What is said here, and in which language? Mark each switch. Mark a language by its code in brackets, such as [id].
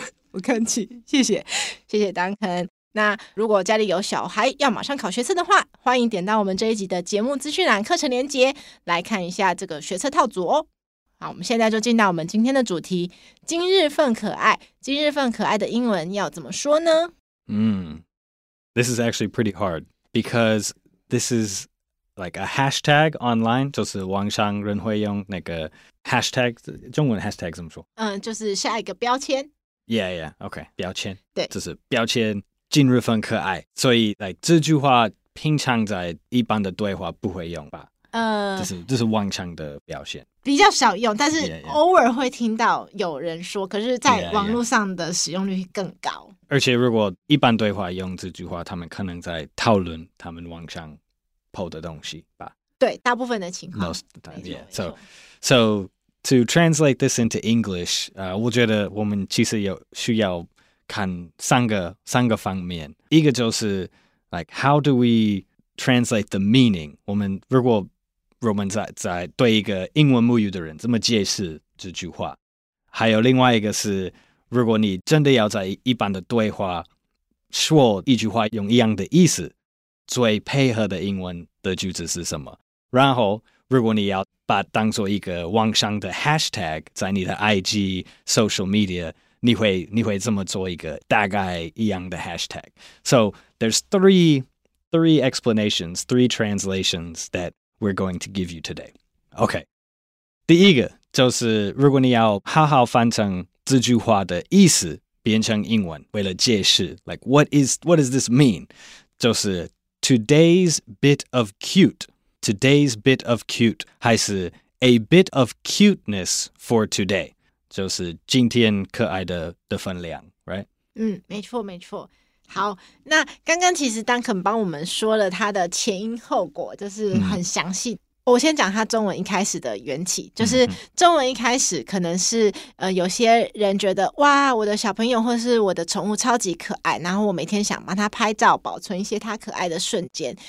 [zh] 不客气，谢谢 Duncan。那如果家里有小孩要马上考学测的话，欢迎点到我们这一集的节目资讯栏课程连结来看一下这个学测套组哦。好，我们现在就进到我们今天的主题，今日份可爱。今日份可爱的英文要怎么说呢？ [en] This is actually pretty hard because this is like a hashtag online, [zh] 就是网上人会用那个 hashtag, 中文 hashtag 怎么说？就是下一个标签。 Yeah, OK, 标签。对，就是标签。今日份可爱，所以 [en] like, [zh] 这句话平常在一般的对话不会用吧？这是网上的表现，比较少用，但是偶尔会听到有人说，可是在网络上的使用率更高。而且如果一般对话用这句话，他们可能在讨论他们网上 po 的东西吧？对，大部分的情况。 [en] Most of the time, yeah. So to translate this into English, [zh] 我觉得我们其实有需要看三个方面，一个就是 [en] like how do we translate the meaning? [zh] 我们如果在对一个英文母语的人这么解释这句话，还有另外一个是，如果你真的要在一般的对话说一句话用一样的意思，最配合的英文的句子是什么。然后如果你要把当作一个网上的 hashtag 在你的 IG social media, 你会这么做一个大概一样的 hashtag. [en] So there's three explanations, three translations that we're going to give you today. Okay. [zh] 第一个就是如果你要好好翻成这句话的意思变成英文为了解释 [en] like what does this mean? [zh] 就是 [en] today's bit of cute [zh] 还是 [en] a bit of cuteness for today, [zh] 就是今天可爱 的分量 right? 没错。好，那刚刚其实 Duncan 帮我们说了他的前因后果，就是很详细。我先讲他中文一开始的缘起，就是中文一开始可能是有些人觉得哇，我的小朋友或是我的宠物超级可爱，然后我每天想帮他拍照，保存一些他可爱的瞬间。